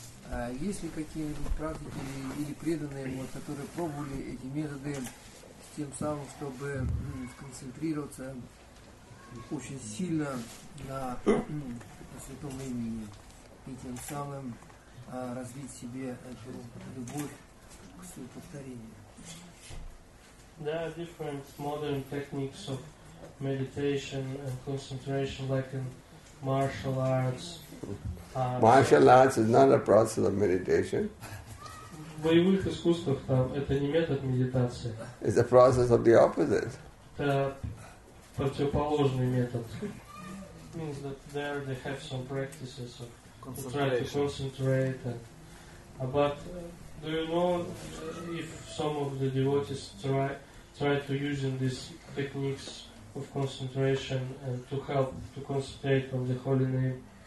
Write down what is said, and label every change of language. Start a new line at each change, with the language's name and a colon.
Russian: А есть ли какие-нибудь практики или преданные, вот, которые пробовали эти методы с тем самым, чтобы сконцентрироваться очень сильно на святом имени и тем самым развить себе эту любовь к своему повторению?
English: There are different modern techniques of meditation and concentration, like in martial arts. Martial arts is not a process of meditation.
Russian: Боевых искусствах там это не метод медитации.
English: It's a process of the opposite.
Russian: Это противоположный метод.
English: Means that there they have some practices of trying to concentrate, but do you know if some of the devotees try to use these techniques of concentration and to help to concentrate on the holy name?